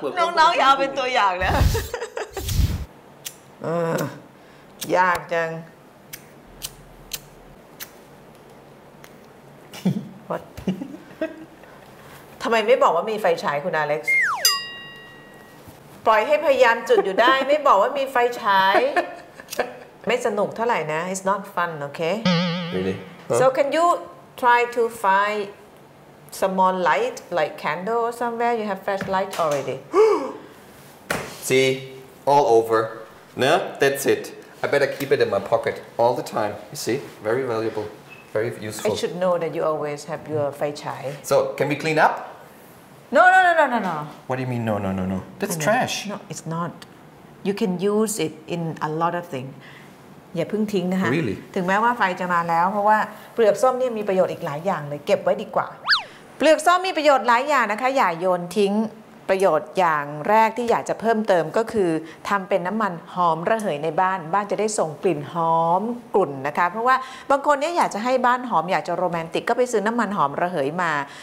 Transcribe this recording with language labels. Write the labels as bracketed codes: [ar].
[th] น้องๆอย่าเอาเป็นตัวอย่างนะยากจัง [en] What [th] ทำไมไม่บอกว่ามีไฟฉายคุณอเล็กซ์ปล่อยให้พยายามจุดอยู่ได้ไม่บอกว่ามีไฟฉายไม่สนุกเท่าไหร่นะ [en] It's not fun okay really? So can you try to findsmall light like candle or somewhere you have fresh light already see all over no that's it I better keep it in my pocket all the time you see very valuable very useful. I should know that you always have your fai chai. So, can we clean up? No. What do you mean, no? That's trash. No, it's not. You can use it in a lot of things. [th] อย่าเพิ่งทิ้งนะคะ [en] really? [th] ถึงแม้ว่าไฟจะมาแล้วเพราะว่าเปลือกส้มเนี่ยมีประโยชน์อีกหลายอย่างเลยเก็บไว้ดีกว่าเปลือกส้มมีประโยชน์หลายอย่างนะคะอย่าโยนทิ้งประโยชน์อย่างแรกที่อยากจะเพิ่มเติมก็คือทำเป็นน้ำมันหอมระเหยในบ้านบ้านจะได้ส่งกลิ่นหอมกลุ่นนะคะเพราะว่าบางคนเนี่ยอยากจะให้บ้านหอมอยากจะโรแมนติกก็ไปซื้อน้ำมันหอมระเหยมา